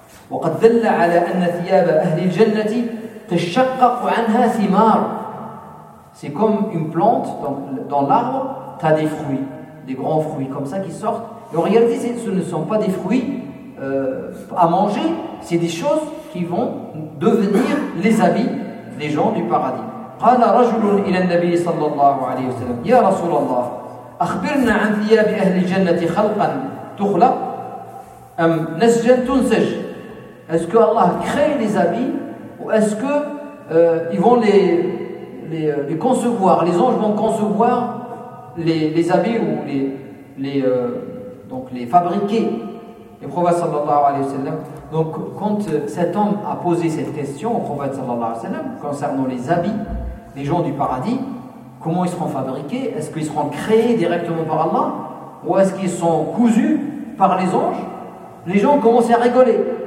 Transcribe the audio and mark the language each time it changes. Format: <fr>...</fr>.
<ar>وَقَدْ ذَلَّ عَلَىٰ أَنَّ ثِيَابَ أَهْلِ الْجَنَّةِ تَشَّقَّقُ عَنْهَا ثِمَارٌ.</ar> <fr>C'est comme une plante, dans l'arbre, tu as des fruits, des grands fruits comme ça qui sortent. Et en réalité, ce ne sont pas des fruits à manger, c'est des choses qui vont devenir les habits des gens du paradis.</fr> <ar>قال رجل إلى النبي صلى الله عليه وسلم يا رسول الله أخبرنا عن ثياب أهل الجنة خلقا تخلق أم نسجا تنسج.</ar> <fr>Est-ce que Allah crée les habits ou est-ce que ils vont les concevoir, les anges vont concevoir les habits ou donc les fabriquer. Le prophète sallallahu alayhi wa sallam, donc quand cet homme a posé cette question au prophète sallallahu alayhi wa sallam concernant les habits des gens du paradis, comment ils seront fabriqués, est-ce qu'ils seront créés directement par Allah ou est-ce qu'ils sont cousus par les anges, les gens ont commencé à rigoler.</fr>